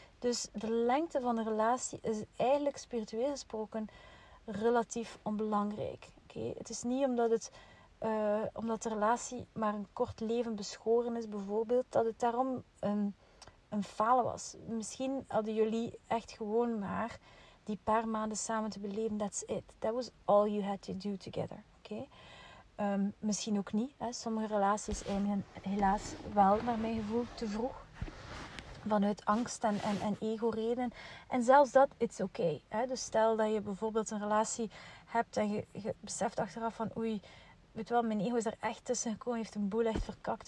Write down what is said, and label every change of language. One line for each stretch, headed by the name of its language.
Dutch: Dus de lengte van de relatie is eigenlijk spiritueel gesproken relatief onbelangrijk. Okay? Het is niet omdat het... Omdat de relatie maar een kort leven beschoren is, bijvoorbeeld, dat het daarom een falen was. Misschien hadden jullie echt gewoon maar die paar maanden samen te beleven.
English: That's it. That was all you had to do together.
Dutch: Okay? Misschien ook niet. Hè? Sommige relaties eindigen helaas wel, naar mijn gevoel, te vroeg. Vanuit angst en ego-reden. En zelfs dat,
English: it's okay.
Dutch: Hè? Dus stel dat je bijvoorbeeld een relatie hebt en je beseft achteraf van oei, weet wel, mijn ego is er echt tussen gekomen, heeft een boel echt verkakt.